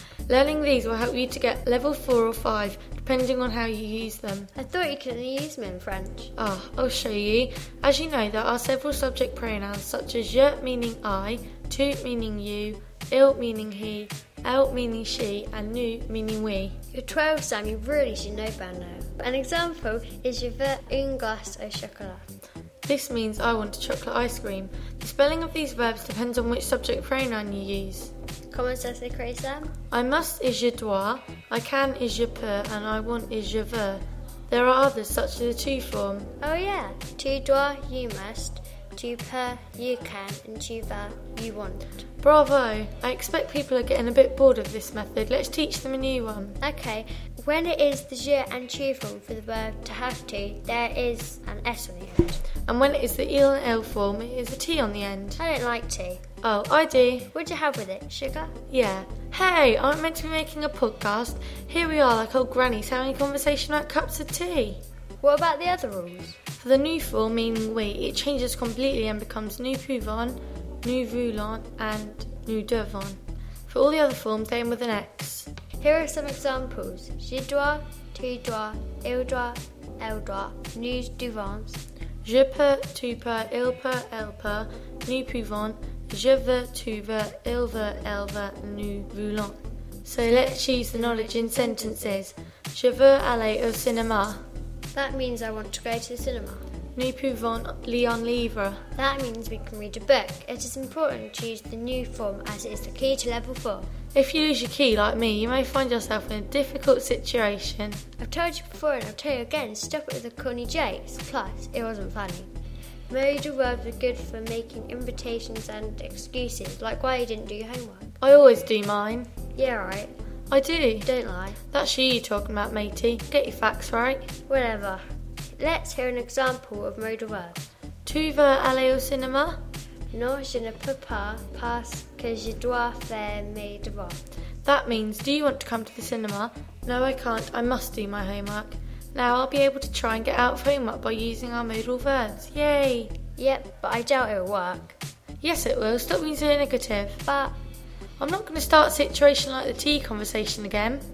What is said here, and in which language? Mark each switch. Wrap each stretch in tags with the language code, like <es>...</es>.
<en>Learning these will help you to get level 4 or 5, depending on how you use them. I thought you could only use them in French. Ah, oh, I'll show you. As you know, there are several subject pronouns, such as je meaning I, tu meaning you, il meaning he, elle meaning she, and nous meaning we. You're 12, Sam, you really should know by now. An example is</en> <fr>je veux une glace au chocolat.</fr> <en>This means I want a chocolate ice cream. The spelling of these verbs depends on which subject pronoun you use.</en> <fr>Comment ça s'écrit, Sam?</fr> <en>I must is</en> <fr>je dois,</fr> <en>I can is</en> <fr>je peux,</fr> <en>and I want is</en> <fr>je veux.</fr> <en>There are others, such as the tu form. Oh yeah,</en> <fr>tu dois,</fr> <en>you must,</en> <fr>tu peux,</fr> <en>you can, and</en> <fr>tu veux,</fr> <en>you want. Bravo! I expect people are getting a bit bored of this method. Let's teach them a new one. Okay, when it is the je and tu form for the verb to have to, there is an S on the end. And when it is the il and elle form, it is a T on the end. I don't like T. Oh, I do. What'd you have with it, sugar? Yeah. Hey, aren't we meant to be making a podcast? Here we are, like old grannies, having a conversation about cups of tea. What about the other rules? For the new form, meaning we, it changes completely and becomes</en> <fr>nous pouvons, nous voulons,</fr> <en>and</en> <fr>nous devons.</fr> <en>For all the other forms, they end with an X. Here are some examples.</en> <fr>Je dois, tu dois, il doit, elle doit, nous devons. Je peux, tu peux, il peut, elle peut, nous pouvons. Je veux, tu veux, il veut, elle veut, nous voulons.</fr> <en>So let's use the knowledge in sentences.</en> <fr>Je veux aller au cinéma.</fr> <en>That means I want to go to the cinema.</en> <fr>Nous pouvons lire un livre.</fr> <en>That means we can read a book. It is important to use the new form as it is the key to level 4. If you lose your key, like me, you may find yourself in a difficult situation. I've told you before and I'll tell you again, stop it with the corny jokes. Plus, it wasn't funny. Modal verbs are good for making invitations and excuses, like why you didn't do your homework. I always do mine. Yeah, right. I do. Don't lie. That's you talking about, matey. Get your facts right. Whatever. Let's hear an example of modal verbs.</en> <fr>Tu veux aller au cinéma? Non, je ne peux pas, parce que je dois faire mes devoirs.</fr> <en>That means, do you want to come to the cinema? No, I can't. I must do my homework. Now I'll be able to try and get out of homework by using our modal verbs. Yay! Yep, but I doubt it'll work. Yes, it will. Stop being so negative. But... I'm not going to start a situation like the tea conversation again.</en>